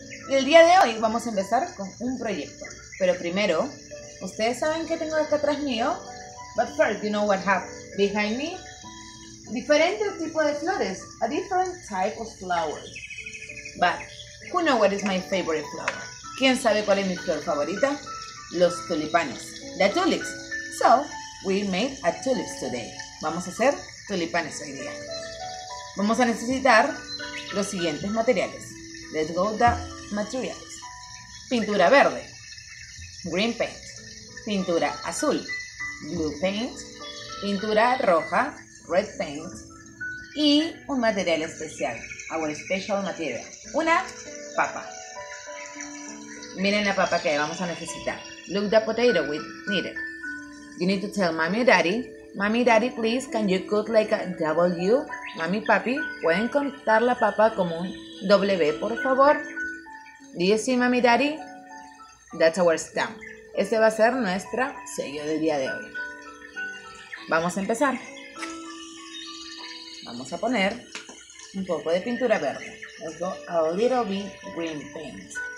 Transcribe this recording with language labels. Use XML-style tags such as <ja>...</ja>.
<es>Y el día de hoy vamos a empezar con un proyecto. Pero primero, ¿ustedes saben qué tengo acá atrás mío?</es> <en>But first, you know what I have behind me?</en> <es>Diferentes tipos de flores.</es> <en>A different type of flowers. But who knows what is my favorite flower?</en> <es>¿Quién sabe cuál es mi flor favorita? Los tulipanes.</es> <en>The tulips. So, we made a tulips today.</en> <es>Vamos a hacer tulipanes hoy día. Vamos a necesitar los siguientes materiales.</es> <en>Let's go the materials.</en> <es>Pintura verde.</es> <en>Green paint.</en> <es>Pintura azul.</es> <en>Blue paint.</en> <es>Pintura roja.</es> <en>Red paint.</en> <es>Y un material especial.</es> <en>Our special material.</en> <es>Una papa. Miren la papa que vamos a necesitar.</es> <en>Look the potato we needed. You need to tell mommy or daddy, mommy, daddy, please, can you cook like a W?</en> <es>Mommy, papi, ¿pueden contar la papa como un W, por favor?</es> <en>Do you see, mommy, daddy? That's our stamp.</en> <es>Este va a ser nuestro sello del día de hoy. Vamos a empezar. Vamos a poner un poco de pintura verde.</es> <en>Let's go a little bit green paint.</en>